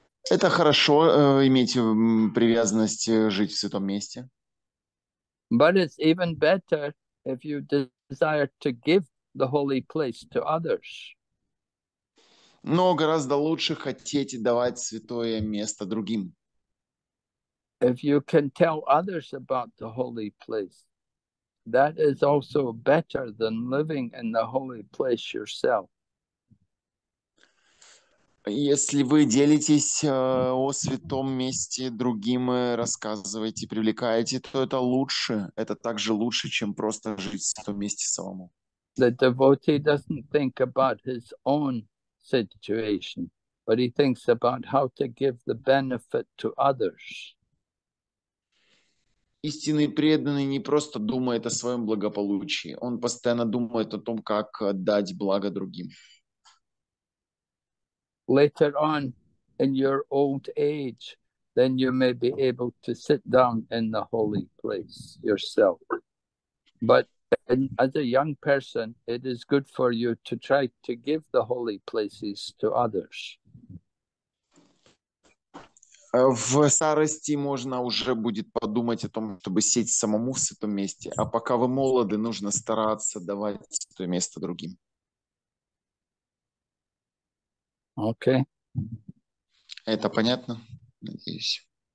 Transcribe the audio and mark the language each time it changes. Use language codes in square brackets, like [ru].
[ru] Это хорошо, иметь привязанность жить в святом месте. [en] But it's even better if you desire to give the holy place to others. [ru] Но гораздо лучше хотеть давать святое место другим. [en] If you can tell others about the holy place, that is also better than living in the holy place yourself. [ru] Если вы делитесь о святом месте другим, рассказываете, привлекаете, то это лучше, это также лучше, чем просто жить в святом месте самому. [en] The devotee doesn't think about his own situation, but he thinks about how to give the benefit to others. [ru] Истинный преданный не просто думает о своем благополучии, он постоянно думает о том, как дать благо другим. [en] Later on, in your old age, then you may be able to sit down in the holy place yourself. But as a young person, it is good for you to try to give the holy places to others. [ru] В старости можно уже будет подумать о том, чтобы сесть самому в святом месте. А пока вы молоды, нужно стараться давать святое место другим. Окей. [en] Okay. [ru] Это понятно? Надеюсь.